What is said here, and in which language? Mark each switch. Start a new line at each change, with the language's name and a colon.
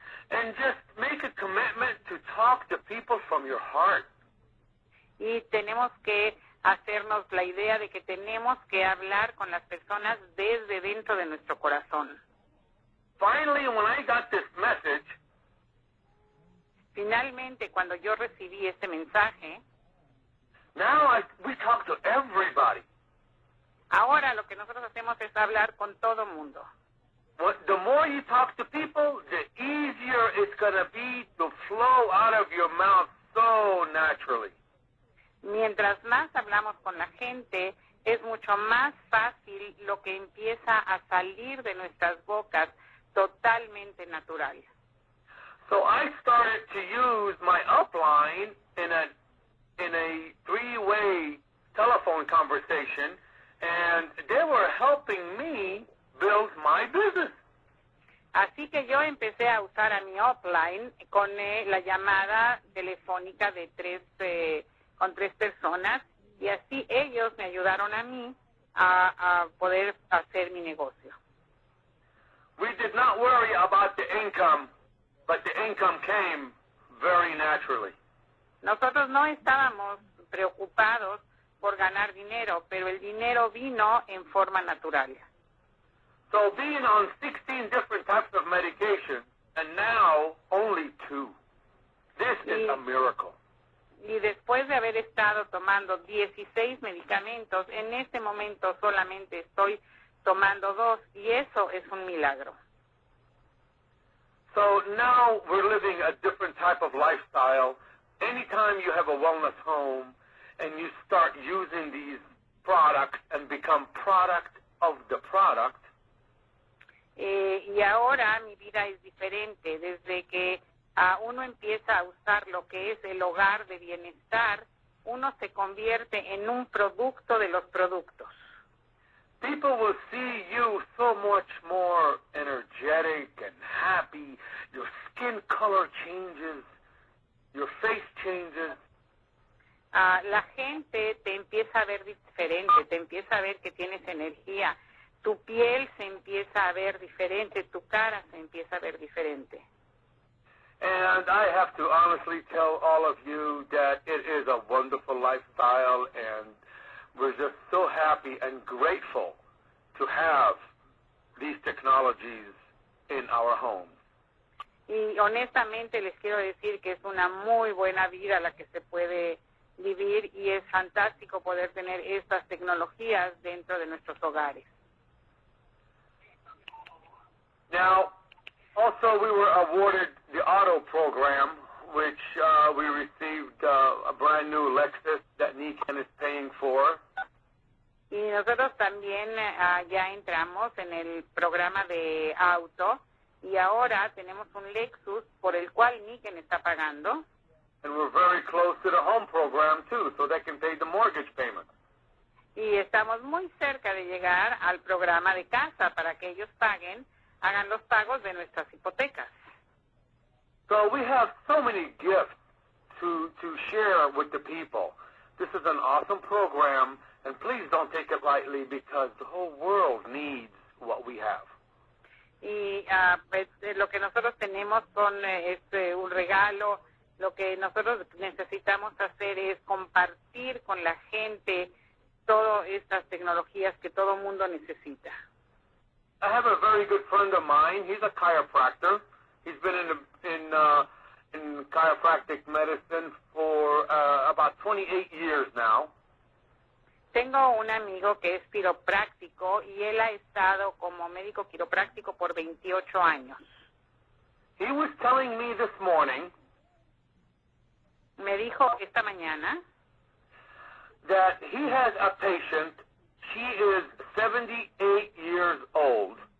English: And just make a commitment to talk to people from your heart.
Spanish: Y tenemos que hacernos la idea de que tenemos que hablar con las personas desde dentro de nuestro corazón.
English: Finally, when I got this message,
Spanish: finalmente, cuando yo recibí este mensaje,
English: now we talk to everybody.
Spanish: Ahora lo que nosotros hacemos es hablar con todo mundo.
English: But the more you talk to people, the easier it's going to be to flow out of your mouth so naturally.
Spanish: Mientras más hablamos con la gente, es mucho más fácil lo que empieza a salir de nuestras bocas totalmente natural.
English: So I started to use my upline in a three-way telephone conversation, and they were helping me build my business.
Spanish: Así que yo empecé a usar a mi upline con la llamada telefónica de con tres personas, y así ellos me ayudaron a mí a poder hacer mi negocio.
English: We did not worry about the income, but the income came very naturally.
Spanish: Nosotros no estábamos preocupados por ganar dinero, pero el dinero vino en forma natural.
English: So being on 16 different types of medication, and now only two, this is a miracle.
Spanish: y después de haber estado tomando 16 medicamentos, en este momento solamente estoy tomando dos, y eso es un milagro.
English: So now we're living a different type of lifestyle. Anytime you have a wellness home and you start using these products and become product of the product.
Spanish: Y ahora mi vida es diferente. Desde que uno empieza a usar lo que es el hogar de bienestar, uno se convierte en un producto de los productos.
English: People will see you so much more energetic and happy. Your skin color changes. Your face changes.
Spanish: La gente te empieza a ver diferente, te empieza a ver que tienes energía. Tu piel se empieza a ver diferente, tu cara se empieza a ver diferente.
English: And I have to honestly tell all of you that it is a wonderful lifestyle, and we're just so happy and grateful to have these technologies in our home.
Spanish: Y honestamente les quiero decir que es una muy buena vida la que se puede vivir, y es fantástico poder tener estas tecnologías dentro de nuestros hogares.
English: Now, also we were awarded the auto program, which we received a brand new Lexus that Nikan is paying for.
Spanish: Y nosotros también ya entramos en el programa de auto, y ahora tenemos un Lexus por el cual Nikan está pagando.
English: And we're very close to the home program too, so they can pay the mortgage payment.
Spanish: Y estamos muy cerca de llegar al programa de casa para que ellos paguen, hagan los pagos de nuestras hipotecas.
English: So we have so many gifts to share with the people. This is an awesome program, and please don't take it lightly, because the whole world needs what we have.
Spanish: Y lo que nosotros tenemos son este un regalo. Lo que nosotros necesitamos hacer es compartir con la gente todas estas tecnologías que todo mundo necesita.
English: I have a very good friend of mine. He's a chiropractor. He's been in chiropractic medicine for about 28 years now.
Spanish: Tengo un amigo que es quiropráctico, y él ha estado como médico quiropráctico por 28 años.
English: He was telling me this morning.
Spanish: Me dijo esta mañana
English: that he has a patient. She is 78 years old.